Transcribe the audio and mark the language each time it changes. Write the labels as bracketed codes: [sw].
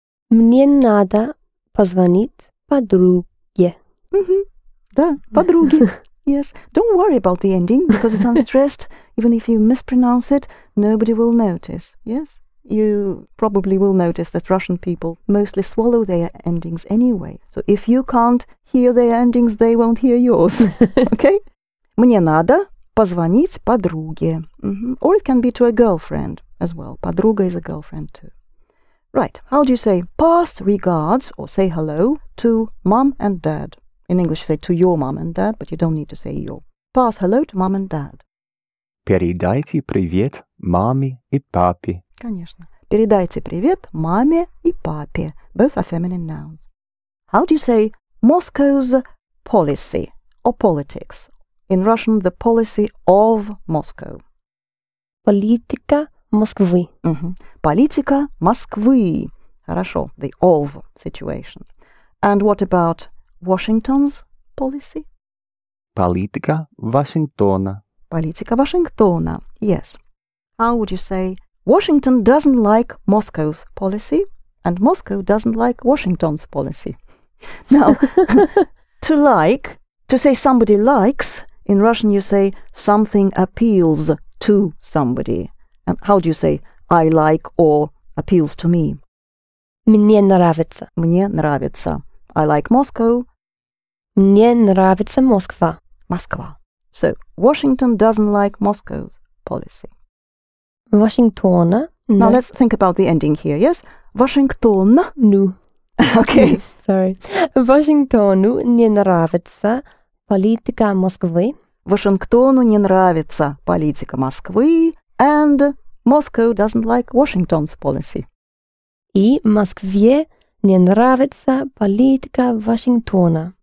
[ru] Мне надо позвонить подруге. Mm-hmm. Да, подруге. [en] Yes. Don't worry about the ending because it's unstressed. Even if you mispronounce it, nobody will notice. Yes? You probably will notice that Russian people mostly swallow their endings anyway. So if you can't hear their endings, they won't hear yours. Okay? [ru] Мне надо... Позвонить подруге. Mm-hmm. [en] Or it can be to a girlfriend as well. Подруга is a girlfriend too. Right. How do you say pass regards or say hello to mom and dad? In English you say to your mom and dad, but you don't need to say your. Pass hello to mom and dad. [ru] Передайте привет маме и папе. Конечно. Передайте привет маме и папе. [en] Both are feminine nouns. How do you say Moscow's policy or politics? In Russian, the policy of Moscow. [ru] Политика Москвы. Mm-hmm. Политика Москвы. Хорошо, [en] the of situation. And what about Washington's policy? [ru] Политика Вашингтона. Политика Вашингтона, [en] yes. How would you say Washington doesn't like Moscow's policy and Moscow doesn't like Washington's policy? Now, to like, to say somebody likes... In Russian, you say something appeals to somebody. And how do you say I like or appeals to me? [ru] Мне нравится. Мне нравится. [en] I like Moscow. [ru] Мне нравится Москва. [en] Москва. So, Washington doesn't like Moscow's policy. Washington. Now, let's think about the ending here, yes? Washington. [ru] Ну. [en] Okay. Sorry. [ru] Вашингтону не нравится политика Москвы. Вашингтону не нравится политика Москвы. [en] And Moscow doesn't like Washington's policy. [ru] И Москве не нравится политика Вашингтона.